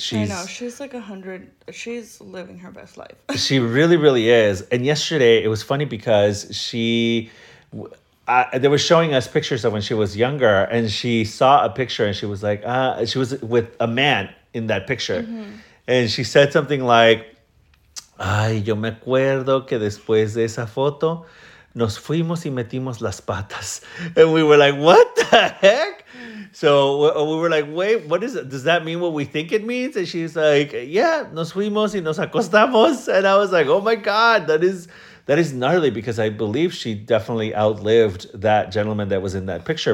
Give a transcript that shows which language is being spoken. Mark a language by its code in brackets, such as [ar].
[en] She's like 100. She's living her best life. She really, really is. And yesterday it was funny because they were showing us pictures of when she was younger, and she saw a picture and she was like, she was with a man in that picture. Mm-hmm. And she said something like, [es] ay, yo me acuerdo que después de esa foto, nos fuimos y metimos las patas. [en] And we were like, what the heck? So we were like, wait, what is it? Does that mean what we think it means? And she's like, yeah, [es] nos fuimos y nos acostamos. [en] And I was like, oh my God, that is gnarly, because I believe she definitely outlived that gentleman that was in that picture.